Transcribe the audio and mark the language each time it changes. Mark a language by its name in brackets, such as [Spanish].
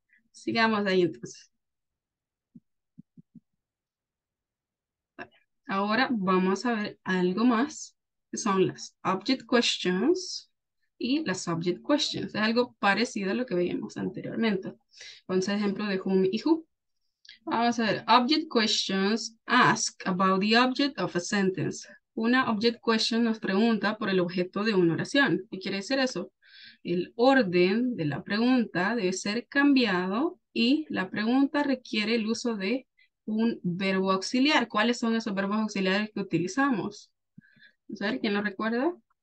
[Spanish] Sigamos ahí entonces. Ahora vamos a ver algo más, que son las object questions y las subject questions. Es algo parecido a lo que veíamos anteriormente. Con ese ejemplo de whom y who. Vamos a ver, [English] object questions ask about the object of a sentence. [Spanish] Una object question nos pregunta por el objeto de una oración. ¿Qué quiere decir eso? El orden de la pregunta debe ser cambiado y la pregunta requiere el uso de un verbo auxiliar. ¿Cuáles son esos verbos auxiliares que utilizamos? Vamos a ver, ¿quién lo recuerda?